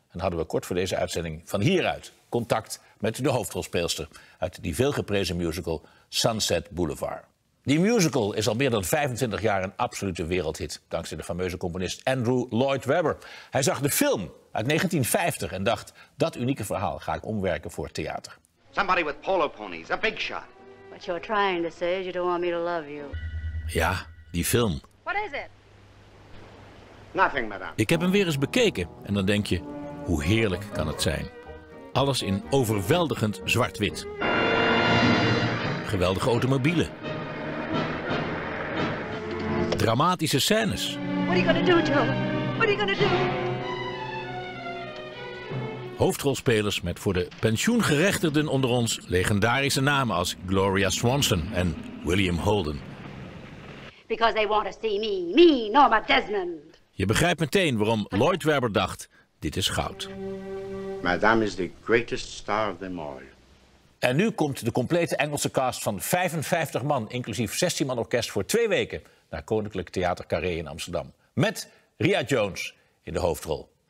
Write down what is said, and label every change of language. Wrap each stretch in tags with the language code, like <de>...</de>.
<nl>En hadden we kort voor deze uitzending van hieruit contact met de hoofdrolspeelster uit die veelgeprezen musical Sunset Boulevard. Die musical is al meer dan 25 jaar een absolute wereldhit, dankzij de fameuze componist Andrew Lloyd Webber. Hij zag de film uit 1950 en dacht, dat unieke verhaal ga ik omwerken voor theater.</nl> <en>Somebody with polo ponies, a big shot. What you're trying to say is you don't want me to love you.</en> <nl>Ja, die film.</nl> <en>What is it? Nothing, madame.</en> <nl>Ik heb hem weer eens bekeken en dan denk je, hoe heerlijk kan het zijn? Alles in overweldigend zwart-wit. Geweldige automobielen. Dramatische scènes.</nl> <en>What are you gonna do, Joe? What are you gonna do?</en> <nl>Hoofdrolspelers met voor de pensioengerechtigden onder ons legendarische namen als Gloria Swanson en William Holden.</nl> <en>Because they want to see me, me, Norma Desmond.</en> <nl>Je begrijpt meteen waarom Lloyd Webber dacht, dit is goud.</nl> <en>Madame is the greatest star of them all.</en> <nl>En nu komt de complete Engelse cast van 55 man, inclusief 16 man orkest, voor 2 weken naar Koninklijk Theater Carré in Amsterdam. Met Ria Jones in de hoofdrol.</nl>